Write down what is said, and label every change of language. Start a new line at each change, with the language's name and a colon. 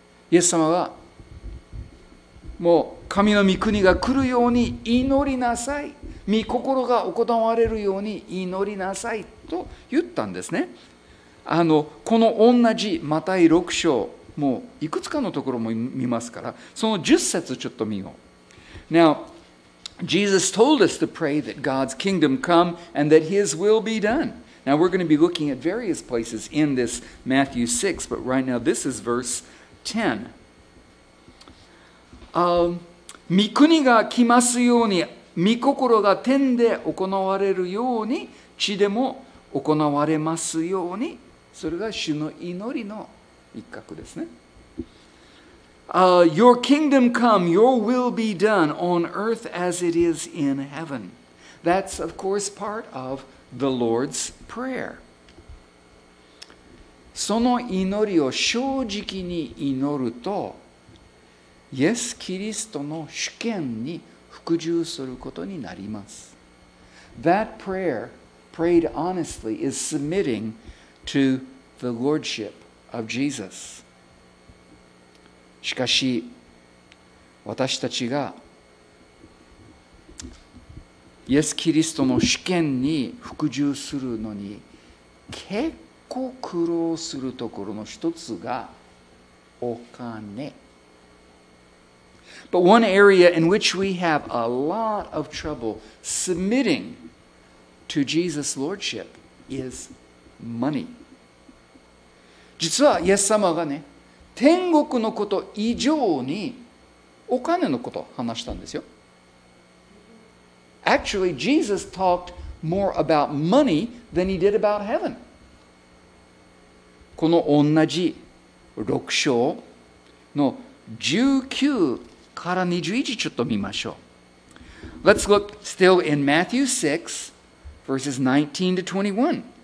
Japanese: イエス様は、もう神の御国が来るように祈りなさい、御心が行われるように祈りなさいと言ったんですね。この同じマタイ6章、もういくつかのところも見ますから、その10節ちょっと見よう。
English: Now, Jesus told us to pray that God's kingdom come and that his will be done. Now, we're going to be looking at various places in this Matthew 6, but right now this is verse 10.
Japanese: 御国が来ますように、御心が天で行われるように、地でも行われますように、それが主の祈りの一角ですね。
English: Your kingdom come, your will be done on earth as it is in heaven. That's of course part of the Lord's prayer.
Japanese: その祈りを正直に祈るとイエス・キリストの主権に服従することになります。
English: That prayer, prayed honestly, is submitting to the Lordship of Jesus.
Japanese: しかし私たちがイエス・キリストの主権に服従するのに結構苦労するところの一つがお金。
English: But one area in which we have a lot of trouble submitting to Jesus' Lordship is money.
Japanese: 実はイエス様がね、天国のこと以上にお金のことを話したんですよ。
English: Actually, Jesus talked more about money than he did about heaven.
Japanese: この同じ6章の19から21ちょっと見ましょう。
English: Let's look still in Matthew 6, verses 19 to 21.